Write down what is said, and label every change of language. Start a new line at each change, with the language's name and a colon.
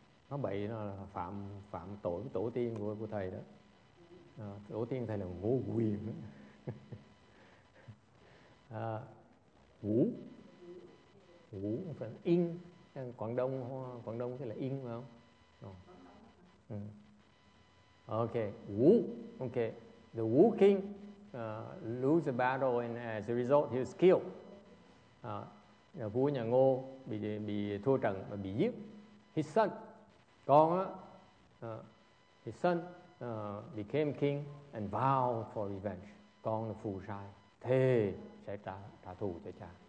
Vietnamese: Nó bậy, nó phạm phạm tội tổ tiên của thầy đó. À, tổ tiên thầy là Ngô Quyền đó. À, Ú? Ú? In? Quảng Đông, Quảng Đông thì là in phải không? Ừ. Okay, Wu.
English: Okay, the Wu king lose the battle, and as a result, he was killed.
Vietnamese: Vua nhà Ngô bị thua trận và bị giết.
English: His son,
Vietnamese: con á,
English: his son became king and vowed for revenge.
Vietnamese: Con là phù sai, thề sẽ trả thù cho cha.